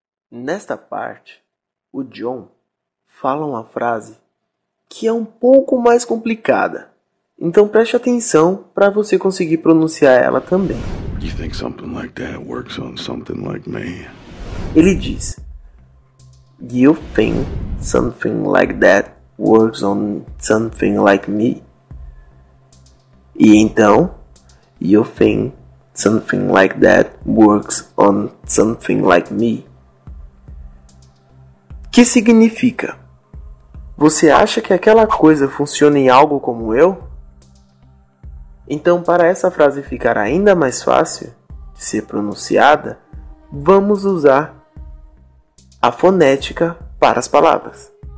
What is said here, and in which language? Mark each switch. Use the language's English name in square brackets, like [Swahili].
[Portuguese] Nesta parte, o John fala uma frase que é um pouco mais complicada. Então preste atenção para você conseguir pronunciar ela também. [English] You think something like that works on something like me? [Portuguese] Ele diz: [English] You think something like that works on something like me? [Portuguese] E então, [English] you think something like that works on something like me? [Portuguese] Que significa? Você acha que aquela coisa funciona em algo como eu? Então, para essa frase ficar ainda mais fácil de ser pronunciada, vamos usar a fonética para as palavras.